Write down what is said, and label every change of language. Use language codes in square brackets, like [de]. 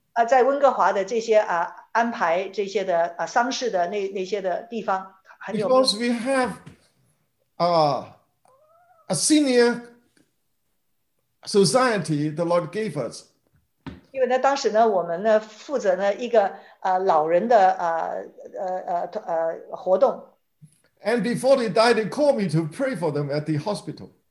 [zh] 在温哥华的这些安排这些的丧事的那些的地方。 [en] Because we have a senior society the Lord gave us. [zh] 因为呢，当时呢，我们呢负责呢一个老人的活动。 [en] And before they died, they called me to pray for them at the hospital.